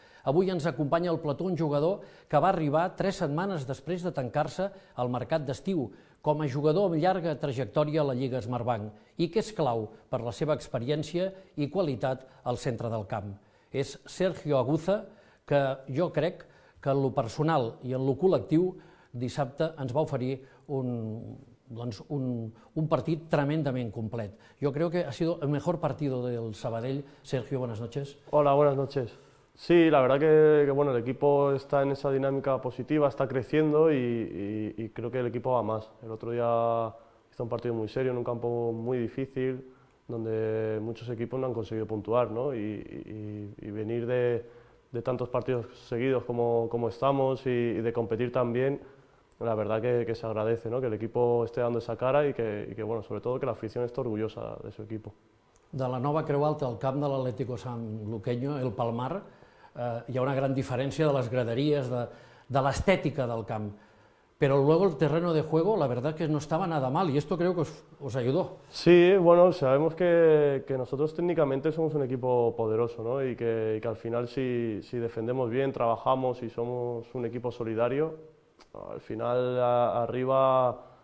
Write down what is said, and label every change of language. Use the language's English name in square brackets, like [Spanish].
[Catalan] Avui ens acompanya al plató un jugador que va arribar 3 setmanes després de tancar-se al mercat d'estiu com a jugador amb llarga trajectòria a la Lliga Smartbank i que és clau per la seva experiència i qualitat al centre del camp. És Sergio Aguza, que jo crec que en lo personal i en lo col·lectiu dissabte ens va oferir un partit tremendament complet. Jo crec que [Spanish] ha sido el mejor partido del Sabadell. Sergio, buenas noches. Hola, buenas noches. Sí, la verdad que bueno, el equipo está en esa dinámica positiva, está creciendo y creo que el equipo va más. El otro día hizo un partido muy serio en un campo muy difícil, donde muchos equipos no han conseguido puntuar, ¿no? Y venir de tantos partidos seguidos como estamos y de competir tan bien, la verdad que se agradece, ¿no? Que el equipo esté dando esa cara y que bueno, sobre todo que la afición esté orgullosa de su equipo. [Catalan] De la nova Creu Alta al camp de l'Atlético Sanluqueño, el Palmar, hi ha una gran diferència de les graderies, de l'estètica del camp. [Spanish] Però luego el terreno de juego, la verdad que no estaba nada mal, y esto creo que os ayudó. Sí, bueno, sabemos que nosotros técnicamente somos un equipo poderoso, ¿no? Y que al final si defendemos bien, trabajamos y somos un equipo solidario, al final arriba